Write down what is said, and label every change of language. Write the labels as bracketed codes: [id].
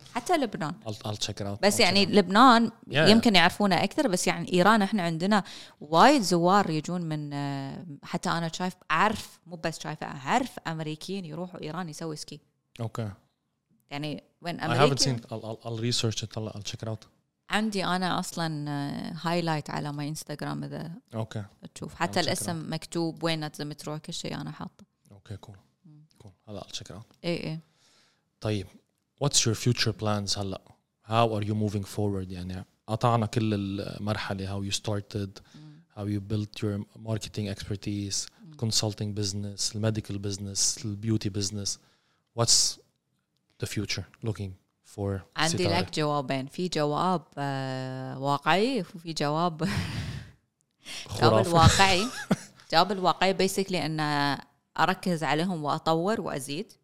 [ar] حتى لبنان بس يعني لبنان يمكن يعرفونه أكثر، بس يعني إيران إحنا عندنا وايد زوار يجون من، حتى أنا شايف أعرف مو بس شايف أعرف أمريكيين يروحوا إيران يسوي سكي. أوكي يعني وين أمريكا؟ [en] I haven't seen. I'll research it. I'll check it out. [ar] عندي أنا أصلاً هايلايت على ماي إنستغرام إذا أوكي تشوف، حتى الاسم مكتوب وين لازم تروح، كل شيء أنا حاطه. [en] Okay cool. هلا I'll check it out. [ar] إيه طيب. [en] What's your future plans هلا؟ How are you moving forward يعني؟ [ar] قطعنا كل المرحلة، [en] how you started, how you built your marketing expertise, consulting business, medical business, beauty business. What's the future looking for؟ [ar] عندي لك جوابين، في جواب واقعي وفي جواب جواب الواقعي basically أن أركز عليهم وأطور وأزيد.